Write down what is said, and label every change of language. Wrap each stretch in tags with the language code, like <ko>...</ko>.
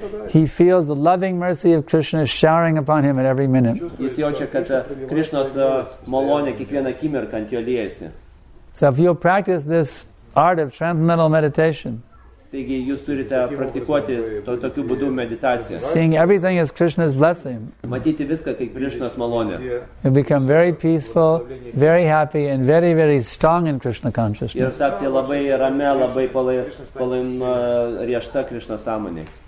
<en>He feels the loving mercy of Krishna showering upon him at every minute.</en> <lt>Jis jaučia, kad Krishnos malonė kiekvieną akimirką ant jo liejasi.</lt> <en>So if you practice this art of transcendental meditation,</en> <lt>taigi jūs turite praktikuoti tokiu būdu meditaciją.</lt> <en>Seeing everything as Krishna's blessing.</en> <lt>Matyti viską kaip Krishna's malonė.</lt> <en>You become very peaceful, very happy and very, very strong in Krishna consciousness.</en> <lt>Ir tapti labai ramia, labai palaima riešta Krishna sąmonė.</lt>